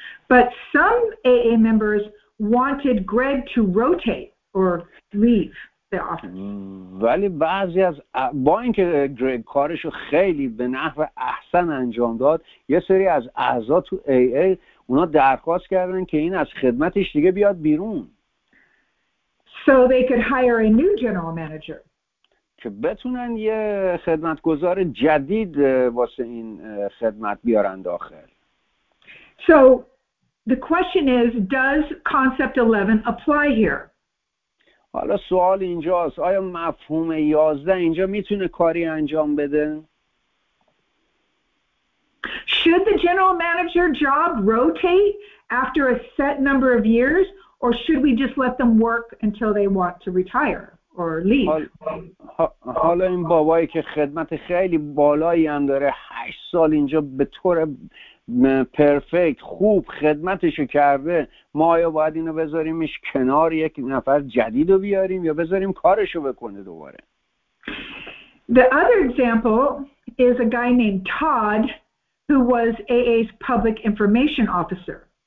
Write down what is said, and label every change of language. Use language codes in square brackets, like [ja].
[en] But some AA members wanted Greg to rotate or leave the office. [fa] ولی بعضی از با اینکه گرگ کارش رو خیلی به نحو احسن انجام داد، یه سری از اعضا تو AA اونا درخواست کردن که این از خدمتش دیگه بیاد بیرون. [en] So they could hire a new general manager. [fa] که بتونن یه خدمتگزار جدید واسه این خدمت بیارن داخل. [en] So the question is, does concept 11 apply here? [fa] حالا سوال اینجاست، آیا مفهوم 11 اینجا میتونه کاری انجام بده؟ [en] Should the general manager job rotate after a set number of years, or should we just let them work until they want to retire? Or leave. [fa] حالا این بابایی که خدمت خیلی بالایی هم داره 8 سال اینجا به طور پرفکت خوب خدمتشو کرده، ما آیا باید اینو بذاریمش کنار یک نفر جدیدو بیاریم یا بذاریم کارشو بکنه دوباره؟ [en] The other example is a guy named Todd who was AA's public information officer.